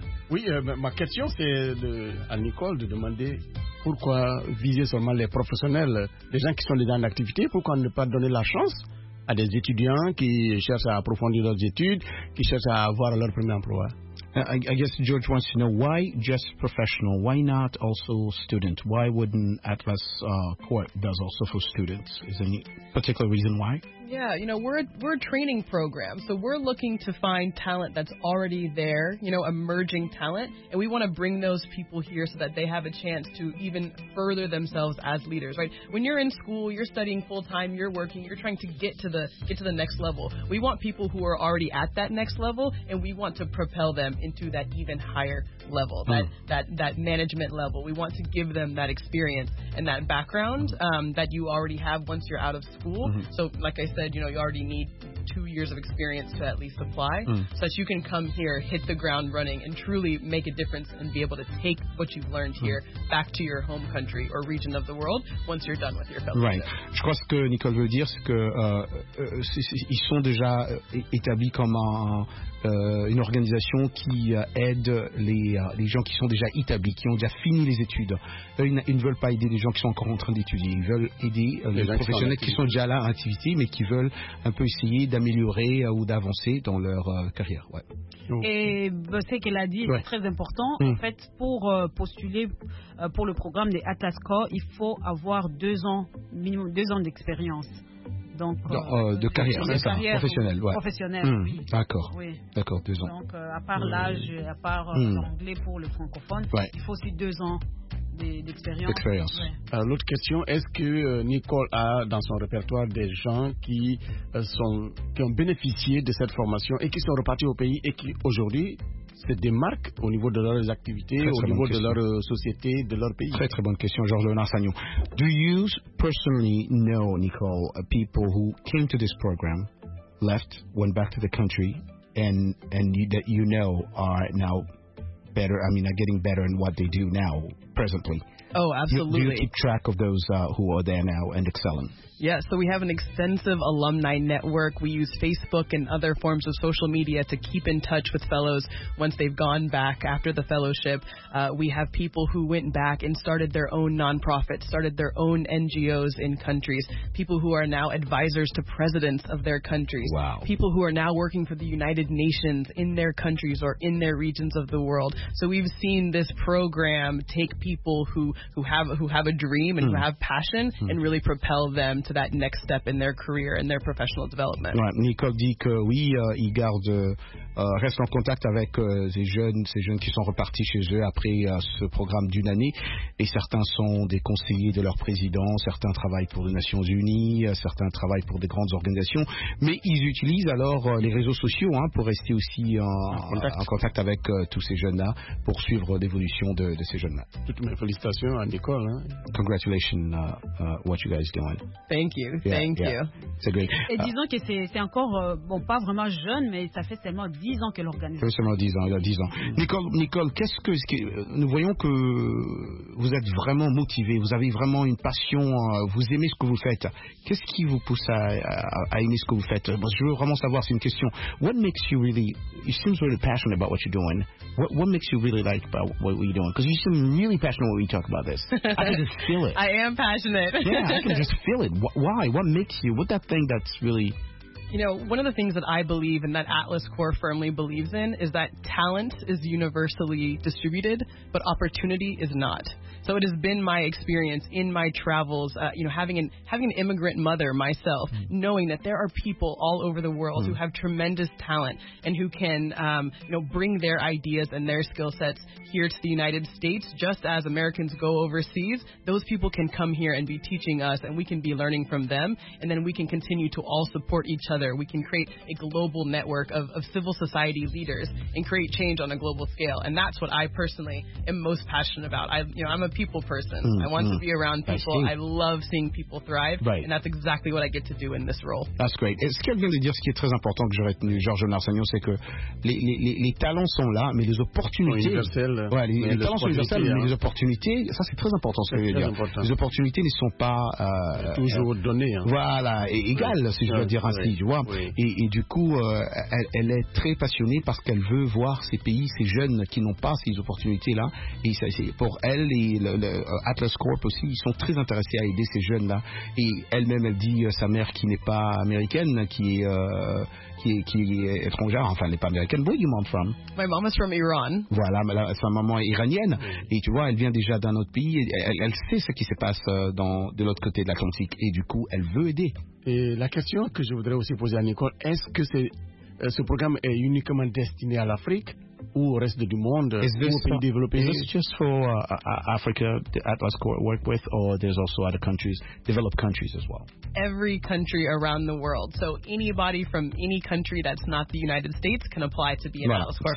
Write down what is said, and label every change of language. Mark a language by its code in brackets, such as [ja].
[fr] Oui, ma question, c'est à Nicole de demander pourquoi viser seulement les professionnels, les gens qui sont déjà en activité, pourquoi ne pas donner la chance à des étudiants qui cherchent à approfondir leurs études, qui cherchent à avoir leur premier emploi. [en] I guess George wants to know why just professional, why not also student? Why wouldn't Atlas Court does also for students? Is there any particular reason why? Yeah, you know, we're a training program, so we're looking to find talent that's already there, you know, emerging talent, and we want to bring those people here so that they have a chance to even further themselves as leaders, right? When you're in school, you're studying full-time, you're working, you're trying to get to the next level. We want people who are already at that next level, and we want to propel them into that even higher level, that management level. We want to give them that experience and that background that you already have once you're out of school. Mm-hmm. So, like I said, you know, you already need 2 years of experience to at least apply, so that you can come here, hit the ground running, and truly make a difference and be able to take what you've learned here back to your home country or region of the world once you're done with your fellowship. Right. [fr] Je crois que ce que Nicole veut dire, c'est que ils sont déjà établis comme une organisation qui aide les gens qui sont déjà établis, qui ont déjà fini les études. Ils ne veulent pas aider les gens qui sont encore en train d'étudier. Ils veulent aider les professionnels qui sont déjà là en activité, mais qui veulent un peu essayer d'améliorer ou d'avancer dans leur carrière. Ouais. Et ce qu'elle a dit, c'est très important. Mmh. En fait, pour postuler pour le programme des Atlas Corps, il faut avoir deux ans d'expérience. De carrière professionnelle. D'accord. Oui. D'accord, deux ans. Donc, à part l'âge, à part l'anglais pour le francophone, il faut aussi deux ans d'expérience. L'autre question, est-ce que Nicole a dans son répertoire des gens qui ont bénéficié de cette formation et qui sont repartis au pays et qui aujourd'hui se démarquent au niveau de leurs activités, au niveau de leur société, de leur pays? Très, très bonne question, Georges Nassagnou. [en] Do you personally know, Nicole, people who came to this program, left, went back to the country, and you, that you know are now better, I mean, are getting better in what they do now, presently? Oh, absolutely. Do you keep track of those who are there now and excelling? Yeah, so we have an extensive alumni network. We use Facebook and other forms of social media to keep in touch with fellows once they've gone back after the fellowship. We have people who went back and started their own nonprofits, started their own NGOs in countries, people who are now advisors to presidents of their countries. Wow. People who are now working for the United Nations in their countries or in their regions of the world. So we've seen this program take people who have a dream and who have passion and really propel them to that next step in their career and their professional development. [fr] Ouais, Nicole dit que oui, ils gardent, restent en contact avec ces jeunes qui sont repartis chez eux après ce programme d'une année. Et certains sont des conseillers de leur président, certains travaillent pour les Nations Unies, certains travaillent pour des grandes organisations. Mais ils utilisent alors les réseaux sociaux pour rester aussi en contact avec tous ces jeunes-là, pour suivre l'évolution de ces jeunes-là. Toutes mes félicitations à Nicole. Hein. [en] Congratulations, what you guys doing. Thank you. [fr] C'est great. Et disons que c'est encore, pas vraiment jeune, mais ça fait seulement 10 ans qu'elle organise. Il y a 10 ans. Nicole, nous voyons que vous êtes vraiment motivée, vous avez vraiment une passion, vous aimez ce que vous faites. Qu'est-ce qui vous pousse à aimer ce que vous faites? Je veux vraiment savoir, c'est une question. [en] What makes you really, you seem really passionate about what you're doing. What makes you really like about what you're doing? Because you seem really passionate when we talk about this. I can just feel it. I am passionate. Yeah, I can just feel it. Why? What makes you? What that thing that's really... You know, one of the things that I believe and that Atlas Corps firmly believes in is that talent is universally distributed, but opportunity is not. So it has been my experience in my travels, having an immigrant mother myself, knowing that there are people all over the world who have tremendous talent and who can, bring their ideas and their skill sets here to the United States. Just as Americans go overseas, those people can come here and be teaching us and we can be learning from them. And then we can continue to all support each other. We can create a global network of civil society leaders and create change on a global scale. And that's what I personally am most passionate about. I'm a people person. I want to be around people. I love seeing people thrive. Right. And that's exactly what I get to do in this role. That's great. [fr] Et ce qu'elle vient de dire, ce qui est très important que j'ai retenu, Georges Narsagnon, c'est que les talents sont là, mais les opportunités... Les talents sont universels, mais les opportunités, ça c'est très important ce que je veux dire. Important. Les opportunités ne sont pas... toujours données. Voilà, égales, si je veux dire ainsi. vois. Oui. Et du coup, elle est très passionnée parce qu'elle veut voir ces pays, ces jeunes qui n'ont pas ces opportunités-là. Et ça, c'est pour elle et le Atlas Corp aussi, ils sont très intéressés à aider ces jeunes-là. Et elle-même, elle dit sa mère qui n'est pas américaine, qui est étrangère, enfin, elle n'est pas américaine. [en] Where are you mom from? My mom is from Iran. [fr] Voilà, sa maman est iranienne. Et tu vois, elle vient déjà d'un autre pays. Elle sait ce qui se passe de l'autre côté de l'Atlantique. Et du coup, elle veut aider. Et la question que je voudrais aussi poser à Nicole, est-ce que ce programme est uniquement destiné à l'Afrique ou au reste du monde, aux pays développés? [en] Is this just for Africa, the Atlas Corps work with, or there's also other countries, developed countries as well? Every country around the world. So anybody from any country that's not the United States can apply to be an Atlas Corps.